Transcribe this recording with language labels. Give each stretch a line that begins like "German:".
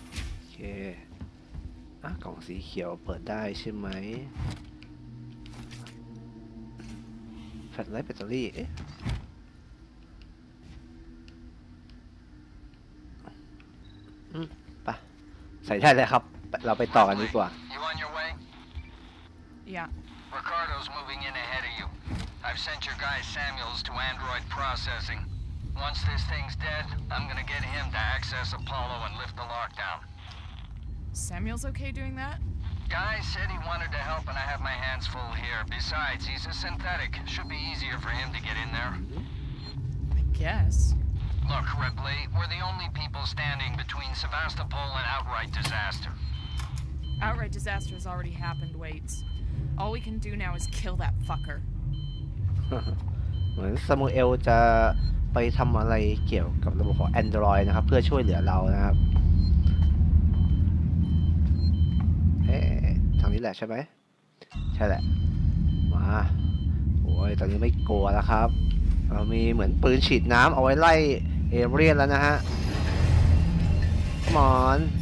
Thai: โอเคกล่องสีเขียวเปิดได้ใช่ไหมแบตไลท์แบตเตอรี่เอ๊ะไปใส่ได้เลยครับเราไปต่อกันดีกว่า
English: You on your way? Yeah. Ricardo's moving in ahead of you. I've sent your guy Samuels to Android processing. Once this thing's dead, I'm gonna get him to access Apollo and lift the lockdown. Samuels okay doing that? Guy said he wanted to help and I have my hands full here. Besides, he's a synthetic. Should be easier for him to get in there. I guess. Look, Ripley, we're the only people standing between Sevastopol and outright disaster. Outright disaster has already happened, Waits. All we can do now is kill that fucker.
Thai: เหมือนซามูเอลจะไปทำอะไรเกี่ยวกับระบบของแอนดรอยด์นะครับเพื่อช่วยเหลือเรานะครับทางนี้แหละใช่ไหมใช่แหละมาโอ้ยตอนนี้ไม่กลัวแล้วครับเรามีเหมือนปืนฉีดน้ำเอาไว้ไล่เอเรียนแล้วนะฮะคอมอน